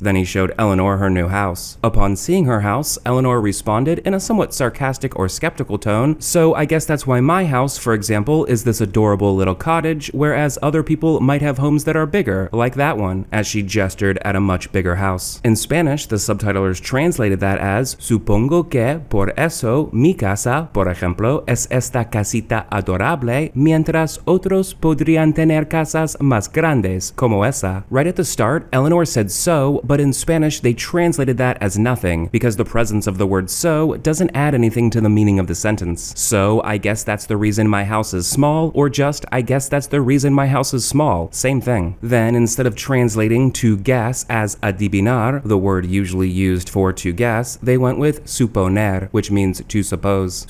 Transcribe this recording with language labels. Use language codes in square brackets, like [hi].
[en] Then he showed Eleanor her new house. Upon seeing her house, Eleanor responded in a somewhat sarcastic or skeptical tone, "So I guess that's why my house, for example, is this adorable little cottage, whereas other people might have homes that are bigger, like that one," as she gestured at a much bigger house. In Spanish, the subtitlers translated that as, [es] "Supongo que, por eso, mi casa, por ejemplo, es esta casita adorable, mientras otros podrían tener casas más grandes, como esa." [en] Right at the start, Eleanor said "so," but in Spanish, they translated that as "nothing," because the presence of the word "so" doesn't add anything to the meaning of the sentence. "So, I guess that's the reason my house is small," or just, "I guess that's the reason my house is small." Same thing. Then, instead of translating "to guess" as "adivinar," the word usually used for "to guess," they went with "suponer," which means "to suppose."